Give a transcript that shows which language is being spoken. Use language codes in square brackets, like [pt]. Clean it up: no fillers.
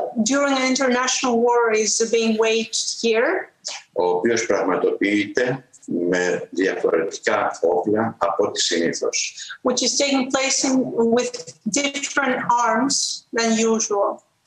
[en] During an international war is being waged here. [el] Ο οποίος πραγματοποιείται με διαφορετικά όπλα από τις συνήθως. [en] Which is taking place with different arms than usual.